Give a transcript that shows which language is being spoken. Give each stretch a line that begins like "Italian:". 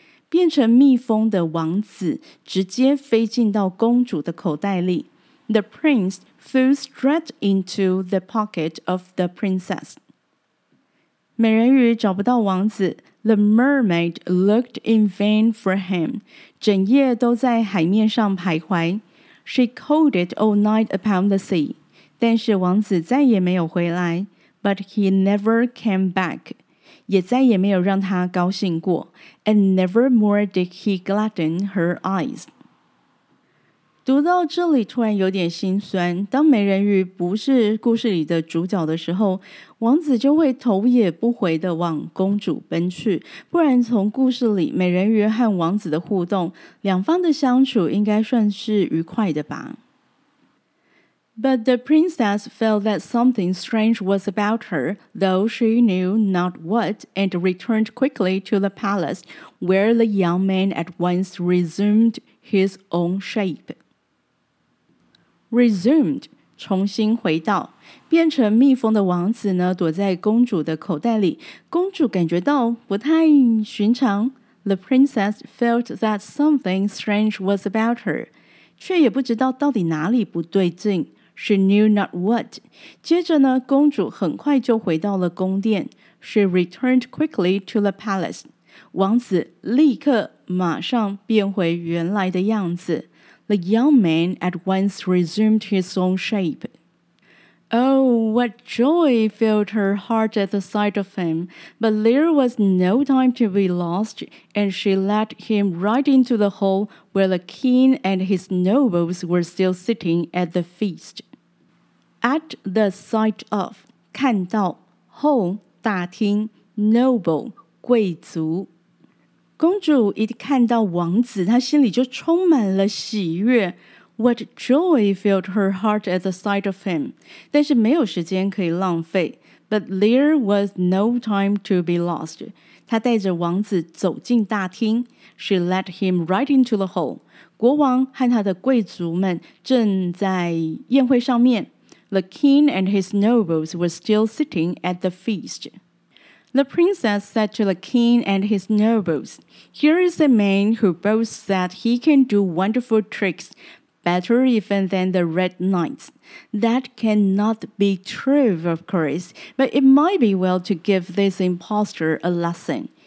Chinese: 变成蜜蜂的王子直接飞进到公主的口袋里。
English: The prince flew straight into the pocket of the princess.
Chinese: 美人鱼找不到王子。
English: The mermaid looked in vain for him.
Chinese: 整夜都在海面上徘徊。
English: She coasted all night upon the sea.
Chinese: 但是王子再也没有回来。
English: But he never came back.
Chinese: 也再也没有让她高兴过。
English: And never more did he gladden her eyes.
Chinese: 读到这里突然有点心酸，当美人鱼不是故事里的主角的时候，王子就会头也不回地往公主奔去，不然从故事里美人鱼和王子的互动，两方的相处应该算是愉快的吧。
English: But the princess felt that something strange was about her, though she knew not what, and returned quickly to the palace, where the young man at once resumed his own shape.
Chinese: Resumed, 重新回到。变成蜜蜂的王子呢，躲在公主的口袋里。公主感觉到不太寻常。
English: The princess felt that something strange was about her,
Chinese: 却也不知道到底哪里不对劲。
English: She knew not what.
Chinese: 接着呢，公主很快就回到了宫殿。
English: She returned quickly to the palace.
Chinese: 王子立刻马上变回原来的样子。
English: The young man at once resumed his own shape. Oh, what joy filled her heart at the sight of him. But there was no time to be lost, and she led him right into the hall where the king and his nobles were still sitting at the feast. At the sight of, 看到 hall, 大厅 noble, 贵族。
Chinese: 公主一看到王子，她心里就充满了喜悦。
English: What joy filled her heart at the sight of him.
Chinese: 但是没有时间可以浪费。
English: But there was no time to be lost.
Chinese: 她带着王子走进大厅。
English: She led him right into the hall.
Chinese: 国王和他的贵族们正在宴会上面。
English: The king and his nobles were still sitting at the feast. The princess said to the king and his nobles, Here is a man who boasts that he can do wonderful tricks, better even than the red knights. That cannot be true, of course, but it might be well to give this impostor a lesson.